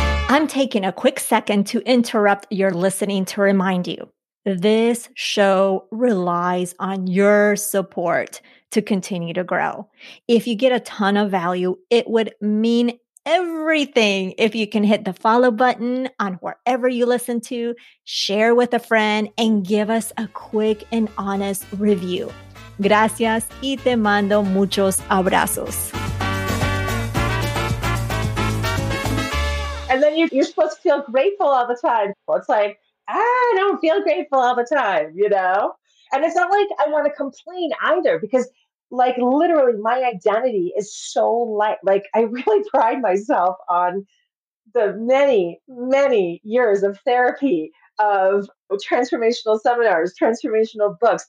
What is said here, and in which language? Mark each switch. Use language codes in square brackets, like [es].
[en] I'm taking a quick second to interrupt your listening to remind you, this show relies on your support to continue to grow. If you get a ton of value, it would mean everything if you can hit the follow button on wherever you listen to, share with a friend, and give us a quick and honest review. [es] Gracias y te mando muchos abrazos. [en] And then you're supposed to feel grateful all the time. Well, it's like, I don't feel grateful all the time, you know? And it's not like I want to complain either, because like literally my identity is so light. Like I really pride myself on the many, many years of therapy, of transformational seminars, transformational books.